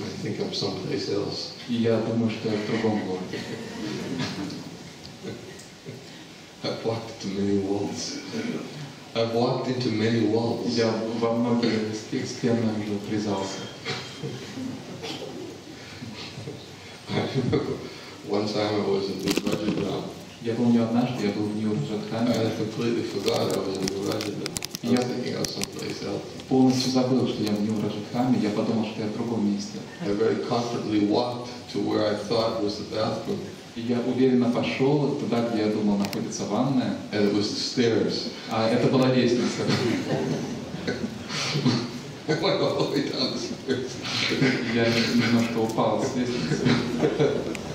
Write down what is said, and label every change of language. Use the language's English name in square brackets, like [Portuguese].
[English] I think I'm someplace else. [Russian] И я думаю, что я в другом городе. [English] I've walked into many walls. I've walked into many walls. [Russian] Я во многие стены врезался. [English] I remember one time I was in the budget now. [Russian] Я помню однажды, я был в Нью-Раджатхане. [English] I completely forgot I was in Нью-Раджатхане. I was thinking of someplace else. [Russian] Полностью забыл, что я в Нью-Раджатхане. Я подумал, что я в другом месте. [English] I very confidently walked to where I thought was the bathroom. [Russian] И я уверенно пошел туда, где я думал находится ванная. [English] And it was the stairs. [Russian] А это была лестница. [English] I went all the way down the stairs. [Russian] Я немножко упал с лестницы.